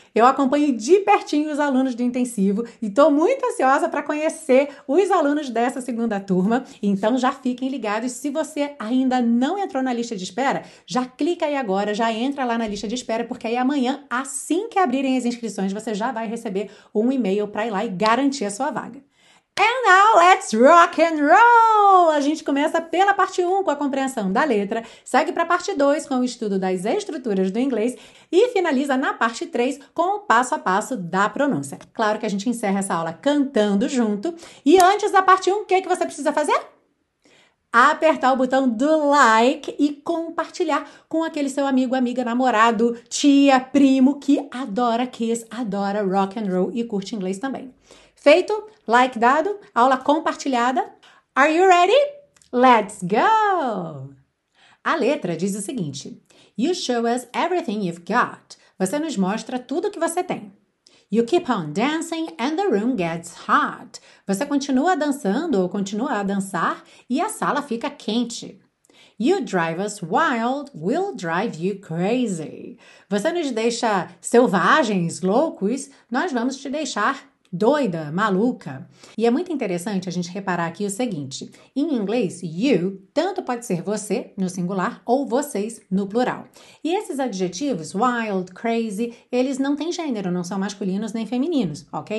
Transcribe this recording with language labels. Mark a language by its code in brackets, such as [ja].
[pt] Eu acompanho de pertinho os alunos do Intensivo e estou muito ansiosa para conhecer os alunos dessa segunda turma. Então já fiquem ligados. Se você ainda não entrou na lista de espera, já clica aí agora, já entra lá na lista de espera, porque aí amanhã, assim que abrirem as inscrições, você já vai receber um e-mail para ir lá e garantir a sua vaga. [en] And now let's rock and roll! [pt] A gente começa pela parte 1 com a compreensão da letra, segue para a parte 2 com o estudo das estruturas do inglês e finaliza na parte 3 com o passo a passo da pronúncia. Claro que a gente encerra essa aula cantando junto. E antes da parte 1, o que você precisa fazer? Apertar o botão do like e compartilhar com aquele seu amigo, amiga, namorado, tia, primo que adora Kiss, adora rock and roll e curte inglês também. Feito, like dado, aula compartilhada. [en] Are you ready? Let's go! [pt] A letra diz o seguinte: [en] You show us everything you've got. [pt] Você nos mostra tudo que você tem. [en] You keep on dancing and the room gets hot. [pt] Você continua dançando ou continua a dançar e a sala fica quente. [en] You drive us wild, we'll drive you crazy. [pt] Você nos deixa selvagens, loucos, nós vamos te deixar doida, maluca. E é muito interessante a gente reparar aqui o seguinte. Em inglês, you, tanto pode ser você, no singular, ou vocês, no plural. E esses adjetivos, wild, crazy, eles não têm gênero, não são masculinos nem femininos, ok?